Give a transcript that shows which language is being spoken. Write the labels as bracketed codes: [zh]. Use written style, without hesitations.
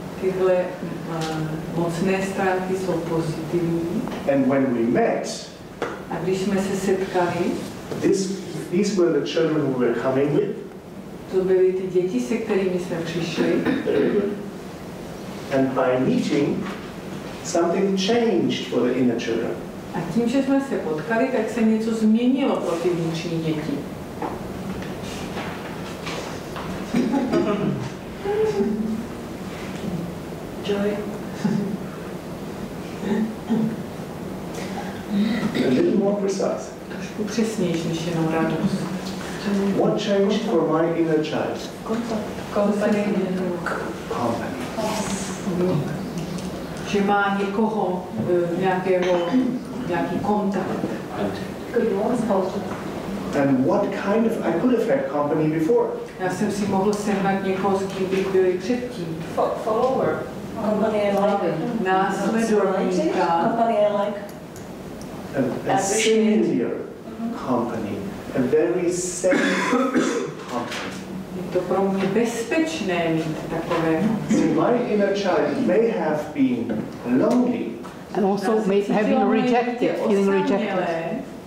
[en] And when we met, these were the children we were coming with. [cs] To byly ty děti, se kterými jsme přišli. [en] And by meeting, something changed for the inner children. [cs] A tím, že jsme se potkali, tak se něco změnilo pro ty vnitřní děti. [en] Joy. A little more precise. [cs] Trošku přesnější, než jenom radost. [en] What changed for my inner child? Company. Company. [cs] Že má někoho, nějakého, nějaký kontakt. [en] And what kind of, I could have had company before. [cs] Já jsem si mohl sehnat někoho, s kým bych byl předtím. [en] Follower. Company I like. [cs] Následovníka. [en] Company I like. A senior company. A very safe company. [cs] Je to pro mě bezpečné mít takové. [en] See, my inner child may have been lonely. And also may have been rejected, feeling rejected.